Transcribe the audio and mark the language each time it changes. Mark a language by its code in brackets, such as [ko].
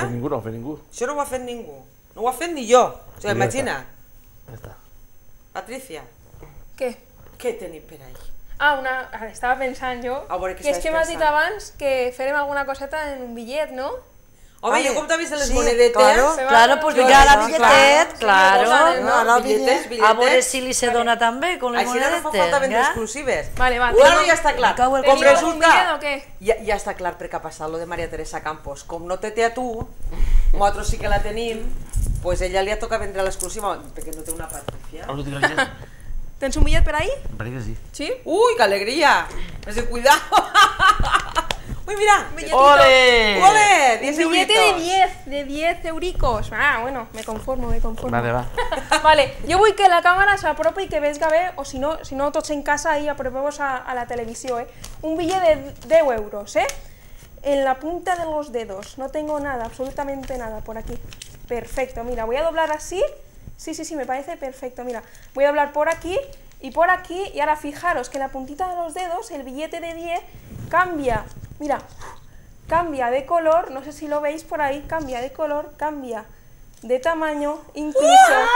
[ca] No ho ha fet ningú, no ho ha fet ningú. Això no ho ha fet ningú. No ho ha fet ni jo. O sigui, imagina. Ja està. Patricia, què? Què tenim per ahí? Ah, una... estava pensant jo, que és que m'has dit abans que farem alguna coseta en un bitllet, no? Home, jo com t'ha vist les monedetes... Claro, claro, pues vinga a la bitlletet, claro. No, no, bitlletes, bitlletes. A veure si li se dona tan bé con les monedetes. Així ara no fa falta vendre exclusives. Vale, va. Bueno, ja està clar. Com resulta... Ja està clar per què ha passat lo de Maria Teresa Campos. Com no te té a tu, nosaltres sí que la tenim, doncs ella li ha tocat vendre l'exclusiva, perquè no té una Patricia. Tens un bitllet per ahí? Per ahí que sí. Sí? Ui, que alegria! Has de cuidar! Ui, mira! [es] Ole! Ole! 10 euritos! Billete de 10, de 10 euricos. Ah, bueno, me conformo. Vale, va. [ca] Vale, jo vull que la càmera s'apropi i que vegi bé, o si no, tots en casa i apropeu-vos a la televisió, eh? Un bitllet de 10 euros, eh? [es] En la punta de los dedos. No tengo nada, absolutamente nada por aquí. Perfecto, mira, voy a doblar así. Sí, me parece perfecto, mira. Voy a doblar por aquí y por aquí, y ahora fijaros que en la puntita de los dedos, el billete de 10 cambia. Mira, cambia de color, no sé si lo veis por ahí, cambia de color, cambia de tamaño, incluso...